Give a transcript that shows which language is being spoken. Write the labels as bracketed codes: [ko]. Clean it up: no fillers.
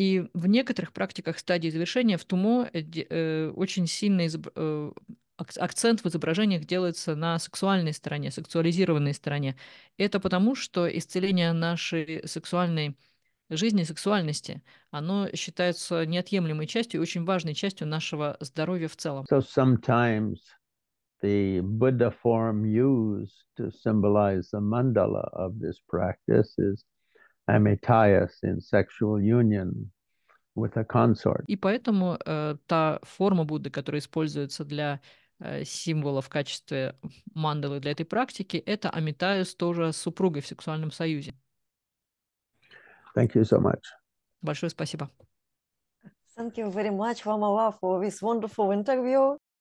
[ru] И в некоторых практиках стадии завершения в тумо очень сильно акцент в изображениях делается на сексуальной стороне, сексуализированной стороне. Это потому, что исцеление нашей сексуальной жизни, сексуальности, оно считается неотъемлемой частью и очень важной частью нашего здоровья в целом. [en] So sometimes the Buddha form used to symbolize the mandala of this practice is amitayas in sexual union with a consort. [ru] И поэтому та форма Будды, которая используется для символа в качестве мандалы для этой практики, это амитайус тоже с супругой в сексуальном союзе. [en] Thank you so much. [ru] Большое спасибо. [en] Thank you very much, Vamala, for this wonderful interview.